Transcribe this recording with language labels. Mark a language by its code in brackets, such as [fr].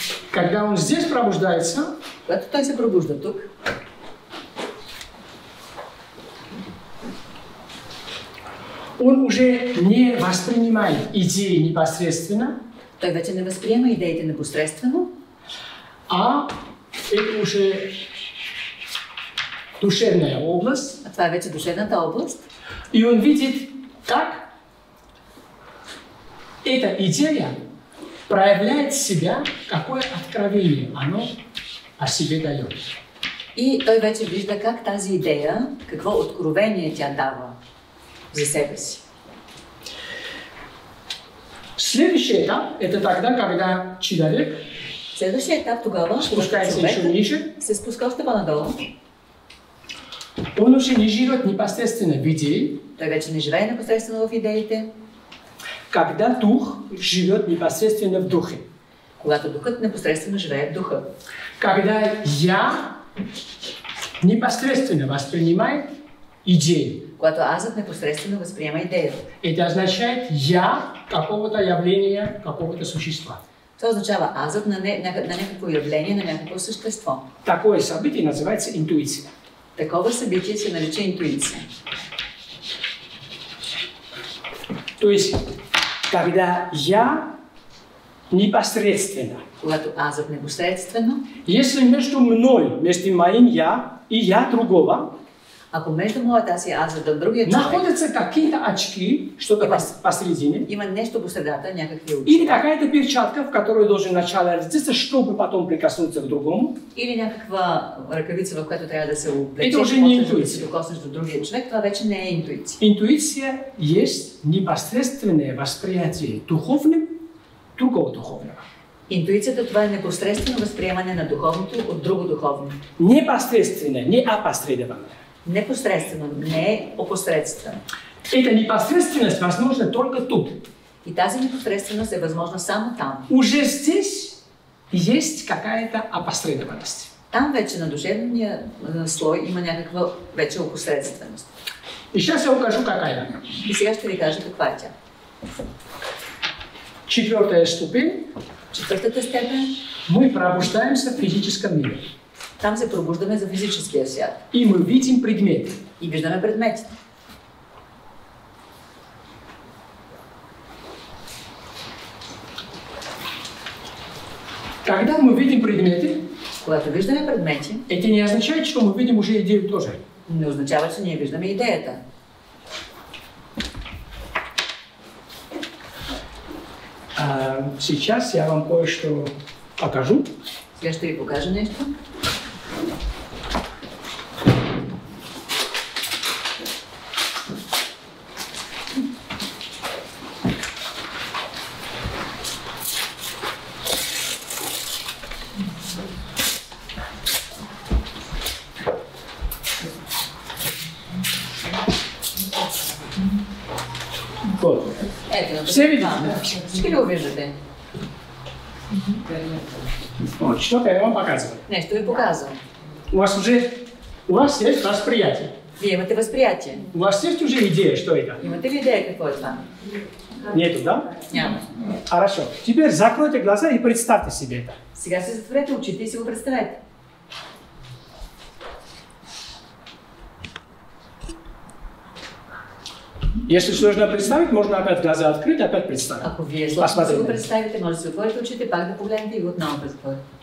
[ru] Когда он здесь пробуждается, [bg] когда той се пробужда тук, [ru] он уже не воспринимает идеи непосредственно. [bg] Той вече не възприема идеите непосредственно. [ru] А это уже душевная область. [bg] А това е вече душевната област. [ru] И он видит, как эта идея проявляет себя, какое откровение оно о себе дает. [bg] И той вече вижда как тази идея, какво откровение тя дава за себе си. [ru] Следующий етап – это тогда, когда человек [bg] следващия етап тогава, [ru] спускается еще ниже, [bg] се спуска още по-надолу. [ru] Он уже не живет непосредственно в идее. [bg] Той вече не живее непосредственно в идеите. [ru] Когда дух живет непосредственно в духе. [bg] Когато духът непосредственно живее в духа. [ru] Когда я непосредственно воспринимаю идеи. [bg] Когато азът непосредственно възприема идеята. [ru] Это означает я какого-то явления, какого-то существа. [bg] Това означава азът на някакво явление, на някакво същество. [ru] Такое событие называется интуиция. [bg] Такова събитие се нарича интуиция. [ru] Тоест, когда я непосредственно. [bg] Когато азът непосредствено. [ru] Если между мной, между моим я и я другого. [bg] Ако между моят аз и азът на другия човек. [ru] Находятся какие-то очки, что-то посредине. [bg] Има нещо посредата, някакви очки. [ru] Или какая-то перчатка, в которую должен начало раздеться, чтобы потом прикоснуться к другому. [bg] Или някаква ръкавица, в която трябва да се облече. [ru] Это уже не интуиция. [bg] Да се докоснеш до другия човек, това вече не е интуиция. [ru] Интуиция есть непосредственное восприятие духовным другого духовного. [bg] Интуицията това е непосредствено възприемане на духовното от друго духовно. [ru] Непосредственно, не опосредованно. [bg] Непосредственно, не опосредствено. [ru] Эта непосредственность возможна только тут. [bg] И тази непосредственность е възможна само там. [ru] Уже здесь есть какая-то опосредованность. [bg] Там вече на душевния слой има някаква вече опосредственост. [ru] И сейчас я укажу какая. [bg] И сега ще ви кажа каква е тя. [ru] Четвертая ступень. [bg] Четвъртата степен. [ru] Мы пробуждаемся в физическом мире. [bg] Там се пробуждаме за физическия свят. [ru] И ми видим предмети. [bg] И виждаме предмети. [ru] Когда мы видим предмети, [bg] когато виждаме предмети, [ru] это не означает, что мы видим уже идею тоже. [bg] Не означава, че ние виждаме идеята. [ru] А сейчас я вам кое-что покажу. [bg] Сега ще ви покажа нещо. [ru] Все видно? [bg] Всички ли увиждате? [ru] Что-то я вам показываю. [bg] Нечто ви показвам. [ru] У вас уже... У вас есть восприятие. [bg] Ви имате восприятие. [ru] У вас есть уже идея, что это? [bg] Имате ли идея, какво е това? [ru] Нету, да? [bg] Няма. [ru] Хорошо. Теперь закройте глаза и представьте себе это. [bg] Сега се затворете очите и си го представете. [ru] Если сложно представить, можно опять глаза открыть, опять представить. [bg] Ако вие сложно да го представите, може да се отворите очите, пак да погледнете и го отново представите.